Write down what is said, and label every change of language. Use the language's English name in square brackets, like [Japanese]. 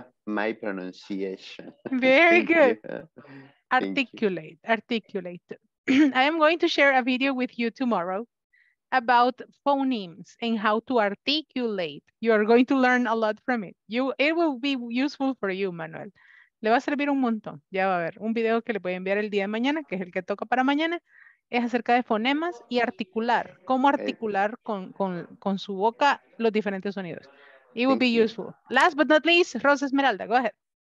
[English] My pronunciation. Very good. Articulate, articulate. I am going to share a video with you tomorrow about phonemes and how to articulate. You are going to learn a lot from it. It will be useful for you, Manuel. [Spanish] Le va a servir un montón. Ya va a ver un video que le voy a enviar el día de mañana, que es el que toca para mañana. Es acerca de fonemas y articular. Cómo articular con su boca los diferentes sonidos. [English] It will be useful. Last but not least, Rosa Esmeralda, go ahead.